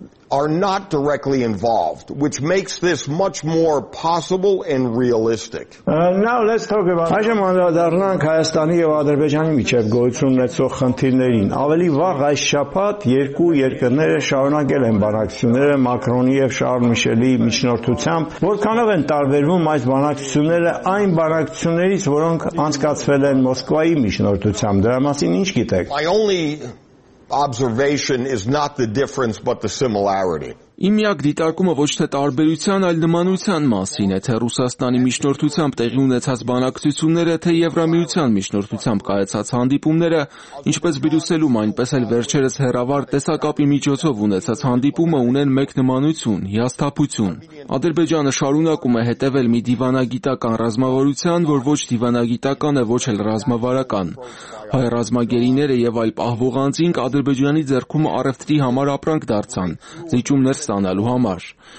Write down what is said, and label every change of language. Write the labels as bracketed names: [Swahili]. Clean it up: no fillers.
[English] are not directly involved, which makes this much more possible and realistic. Now let's talk about [Armenian] Այժմ անդրադառնանք Հայաստանի եւ Ադրբեջանի միջև գործում ունեցող խնդիրներին։ Ավելի վաղ այս շաբաթ երկու երկրները շարունակել են բանակցությունները Մակրոնի եւ Շարլ Միշելի միջնորդությամբ։ Որքանով են տարբերվում այս բանակցությունները այն բանակցություններից, որոնք անցկացվել են Մոսկվայի միջնորդությամբ։ Դրա մասին ինչ գիտեք։ [English] Observation is not the difference but the similarity. [Armenian] Իմիակ դիտարկումը ոչ թե տարբերության, այլ նմանության մասին է, թե Ռուսաստանի միջնորդությամբ տեղի ունեցած բանակցությունները, թե Եվրամիության միջնորդությամբ կայացած հանդիպումները, ինչպես Բրյուսելում, այնպես էլ վերջերս հերավար տեսակապի միջոցով ունեցած հանդիպումը ունեն մեկ նմանություն՝ հիասթափություն։ Ադրբեջանը շարունակում է հետևել մի դիվանագիտական ռազմավարության, որ ոչ դիվանագիտական է, ոչ էլ ռազմավարական։ Հայ ռազմագերիները եւ այլ պահվողանցին Ադրբեջանի ձեռքում առևտրի համար ապրանք դարձան, զիջումներ ստանալու համար։